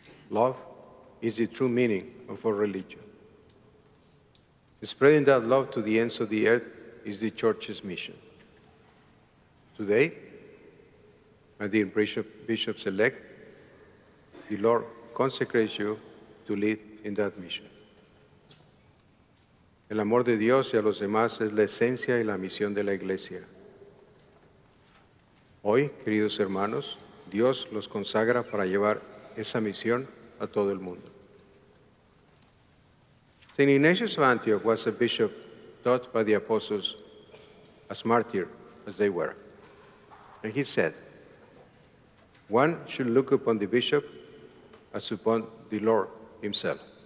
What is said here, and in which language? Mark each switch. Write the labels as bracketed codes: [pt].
[en] Love is the true meaning of our religion. Spreading that love to the ends of the earth is the Church's mission. Today, my dear bishops-elect, the Lord consecrates you to lead in that mission. [es] El amor de Dios y a los demás es la esencia y la misión de la Iglesia. Hoy, queridos hermanos, Dios los consagra para llevar esa misión a todo el mundo. [en] St. Ignatius of Antioch was a bishop taught by the apostles, as martyr as they were. And he said, one should look upon the bishop as upon the Lord himself.